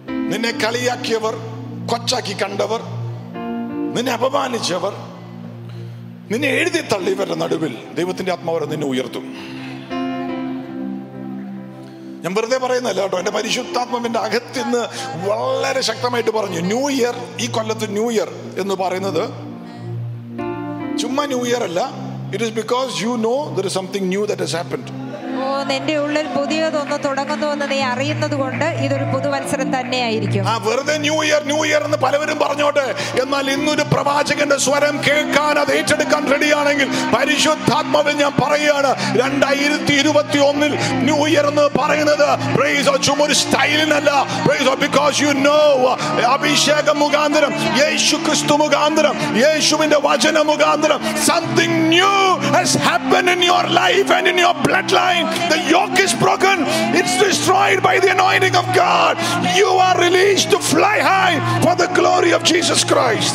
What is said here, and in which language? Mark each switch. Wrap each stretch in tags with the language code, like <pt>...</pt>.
<ml>നിന്നെ കളിയാക്കിയവർ, കൊച്ചാക്കി കണ്ടവർ, നിന്നെ അപമാനിച്ചവർ, നിന്നെ എഴുതി തള്ളിയവരുടെ നടുവിൽ ദൈവത്തിന്റെ ആത്മാവ് നിന്നെ ഉയർത്തും. ഞാൻ വെറുതെ പറയുന്നല്ല കേട്ടോ, എന്റെ പരിശുദ്ധാത്മാവിന്റെ അകത്തിന്ന് വളരെ ശക്തമായിട്ട് പറഞ്ഞു. ന്യൂ ഇയർ, ഈ കൊല്ലത്ത് ന്യൂ ഇയർ എന്ന് പറയുന്നത് ചുമ്മാ ന്യൂ ഇയർ അല്ല.</ml> <en>It is because you know there is something new that has happened.</en> <ml>ഓ നിന്റെ ഉള്ളിൽ പുതിയது ഒന്ന് തുടങ്ങുന്നു എന്ന് നീ അറിയുന്നതുകൊണ്ട് ഇതൊരു പുതുവത്സരം തന്നെയായിരിക്കും. ആ വെറുതെ ന്യൂ ഇയർ എന്ന് പലവരും പറഞ്ഞോട്ടെ, എന്നാൽ ഇന്നൊരു പ്രവാചകന്റെ സ്വരം കേൾക്കാൻ അത് ഏറ്റെടുക്കാൻ റെഡിയാണെങ്കിൽ പരിശുദ്ധാത്മാവിൽ ഞാൻ പറയുകയാണ്, 2021 ന്യൂ ഇയർ എന്ന് പറയുന്നത് പ്രൈസ് ഓ ചുമ്മാ ഒരു സ്റ്റൈലിനല്ല, price oh</ml> <en>because you know</en> <ml>അഭിഷേകം മുഖാന്തരം, യേശു ക്രിസ്തു മുഖാന്തരം, യേശുവിന്റെ വചന മുഖാന്തരം,</ml> <en>Something new has happened in your life and in your blood line. The yoke is broken, it's destroyed by the anointing of God. You are released to fly high for the glory of Jesus Christ.</en>